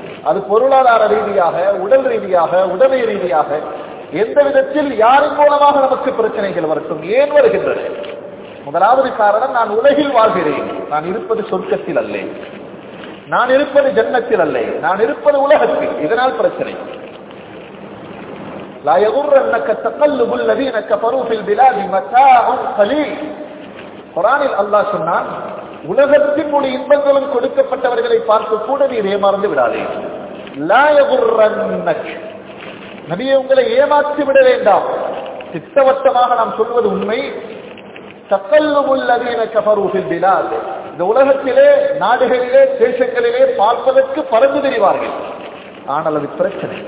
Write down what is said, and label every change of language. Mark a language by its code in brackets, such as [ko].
[ta] அது பொருளாதார ரீதியாக, உடல் ரீதியாக, உடமை ரீதியாக, எந்த விதத்தில், யாரின் மூலமாக நமக்கு பிரச்சனைகள் வரட்டும், ஏன் வருகின்றன? முதலாவது காரணம், நான் உலகில் வாழ்கிறேன், நான் இருப்பது சொர்க்கத்தில் அல்ல, நான் இருப்பது ஜன்னத்தில் அல்ல, நான் இருப்பது உலகத்தில், இதனால் பிரச்சனை. [ar] لا يغرنك تقلب الذين كفروا في البلاد متاع قليل. [ta] குர்ஆனில் அல்லாஹ் சொன்னான், உலகத்தினுடைய இன்பங்களும் கொடுக்கப்பட்டவர்களை பார்த்து கூட நீ ஏமாறந்து விடாதே. லா யகுர்ரன்னக், நபியே உங்களை ஏமாற்றி விட வேண்டாம். திட்டவட்டமாக நாம் சொல்வது உண்மை. தக்கல்லுமுல்லதீன கஃபரூ ஃபில் பிலாத், இந்த உலகத்திலே நாடுகளிலே தேசங்களிலே பார்ப்பதற்கு பறந்து தெரிவார்கள், ஆனால் அது பிரச்சனை.